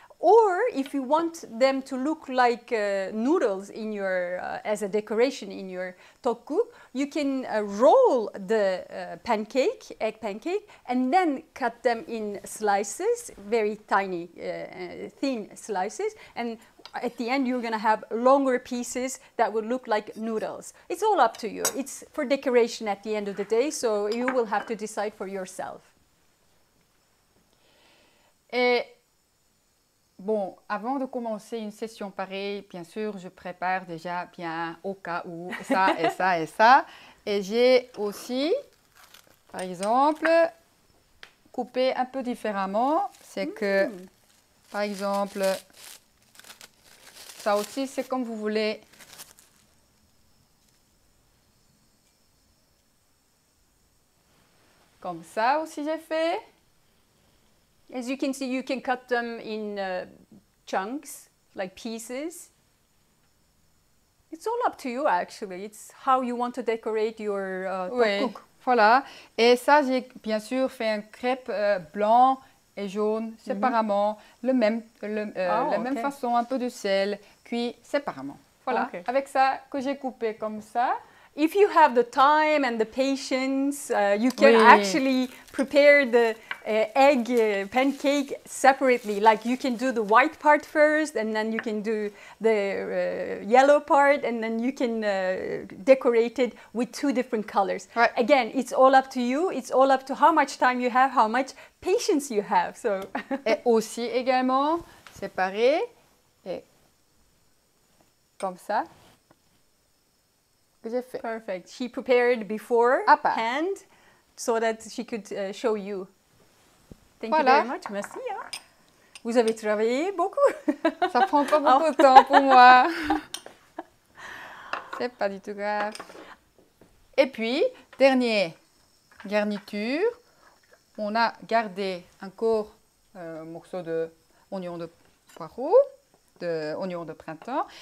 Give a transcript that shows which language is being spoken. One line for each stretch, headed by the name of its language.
English: Or if you want them to look like noodles in your as a decoration in your tteokguk, you can roll the pancake, egg pancake, and then cut them in slices, very tiny, thin slices. And at the end, you're going to have longer pieces that will look like noodles. It's all up to you. It's for decoration at the end of the day, so you will have to decide for yourself.
French: Et bon, avant de commencer une session pareille, bien sûr, je prépare déjà bien au cas où ça et ça et ça. Et j'ai aussi, par exemple, coupé un peu différemment. C'est que, par exemple, ça aussi, c'est comme vous voulez. Comme ça aussi, j'ai fait.
English: As you can see, you can cut them in chunks, like pieces. It's all up to you, actually. It's how you want to decorate your cook.
French: Voilà. Et ça, j'ai bien sûr fait un crêpe blanc et jaune séparément, même façon, un peu de sel, cuit séparément. Voilà. Okay. Avec ça, que j'ai coupé comme ça.
English: If you have the time and the patience, you can actually prepare the egg pancake separately. Like you can do the white part first, and then you can do the yellow part, and then you can decorate it with two different colors. Right. Again, it's all up to you. It's all up to how much time you have, how much patience you have. So.
French: Et aussi également séparé et comme ça.
English: Perfect. She prepared before hand so that she could show you. Thank you very much.
French: Merci. Hein? Vous avez travaillé beaucoup. Ça prend pas beaucoup de temps pour moi. C'est pas du tout grave. Et puis, dernier garniture. On a gardé encore un morceau de oignon de poireau, de oignon de printemps.